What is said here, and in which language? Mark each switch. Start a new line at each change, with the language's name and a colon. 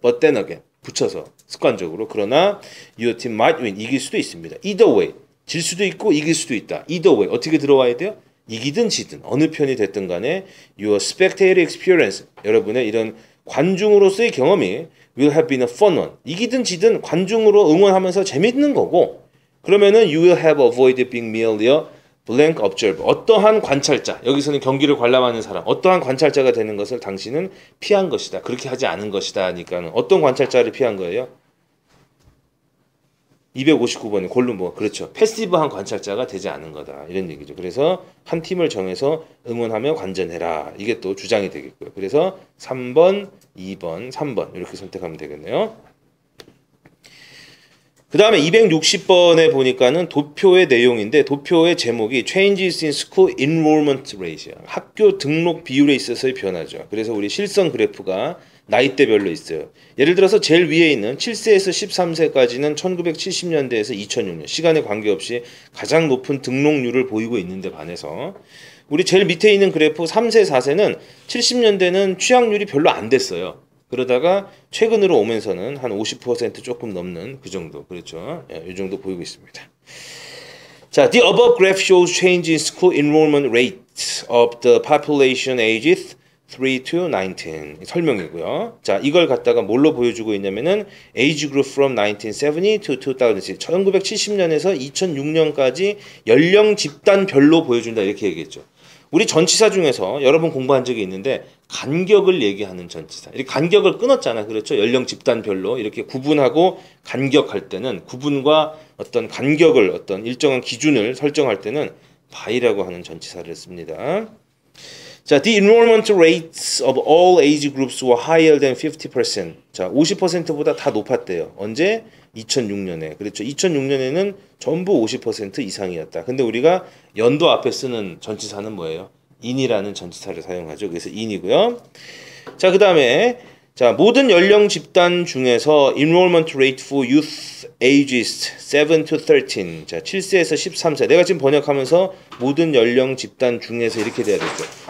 English: But then again,
Korean: 붙여서 습관적으로. 그러나
English: your team might win.
Korean: 이길 수도 있습니다.
English: Either way,
Korean: 질 수도 있고 이길 수도 있다. Either way, 어떻게 들어와야 돼요? 이기든 지든 어느 편이 됐든 간에
English: your spectator experience,
Korean: 여러분의 이런 관중으로서의 경험이
English: will have been a fun one.
Korean: 이기든 지든 관중으로 응원하면서 재밌는 거고. 그러면은
English: you will have avoided being merely a blank observer.
Korean: 어떠한 관찰자, 여기서는 경기를 관람하는 사람, 어떠한 관찰자가 되는 것을 당신은 피한 것이다. 그렇게 하지 않은 것이다. 하니까는 어떤 관찰자를 피한 거예요? 259번에 골룸 뭐 그렇죠. 패시브한 관찰자가 되지 않은 거다. 이런 얘기죠. 그래서 한 팀을 정해서 응원하며 관전해라. 이게 또 주장이 되겠고요. 그래서 3번, 2번, 3번 이렇게 선택하면 되겠네요. 그 다음에 260번에 보니까는 도표의 내용인데 도표의 제목이
English: Changes in School Enrollment Rate
Korean: 야. 학교 등록 비율에 있어서의 변화죠. 그래서 우리 실선 그래프가 나이대별로 있어요. 예를 들어서 제일 위에 있는 7세에서 13세까지는 1970년대에서 2006년 시간에 관계없이 가장 높은 등록률을 보이고 있는데 반해서 우리 제일 밑에 있는 그래프 3세, 4세는 70년대는 취약률이 별로 안 됐어요. 그러다가 최근으로 오면서는 한50% 조금 넘는 그 정도, 그렇죠? 예, 이 정도 보이고 있습니다.
English: 자, The above graph shows change in school enrollment rate of the population ages 3 to 19.
Korean: 설명이고요. 자, 이걸 갖다가 뭘로 보여주고 있냐면은
English: age group from 1970 to 2000,
Korean: 1970년에서 2006년까지 연령 집단별로 보여준다 이렇게 얘기했죠. 우리 전치사 중에서 여러분 공부한 적이 있는데 간격을 얘기하는 전치사. 이렇게 간격을 끊었잖아. 그렇죠? 연령 집단별로 이렇게 구분하고 간격할 때는 구분과 어떤 간격을 어떤 일정한 기준을 설정할 때는 바이라고 하는 전치사를 씁니다.
English: 자, the enrollment rates of all age groups were higher than 50%.
Korean: 자, 50%보다 다 높았대요. 언제? 2006년에. 그렇죠. 2006년에는 전부 50% 이상이었다. 근데 우리가 연도 앞에 쓰는 전치사는 뭐예요? in이라는 전치사를 사용하죠. 그래서 in이고요. 자, 그 다음에 자 모든 연령 집단 중에서
English: enrollment rate for youth ages 7 to 13
Korean: 자 7세에서 13세 내가 지금 번역하면서 모든 연령 집단 중에서 이렇게 돼야 되죠.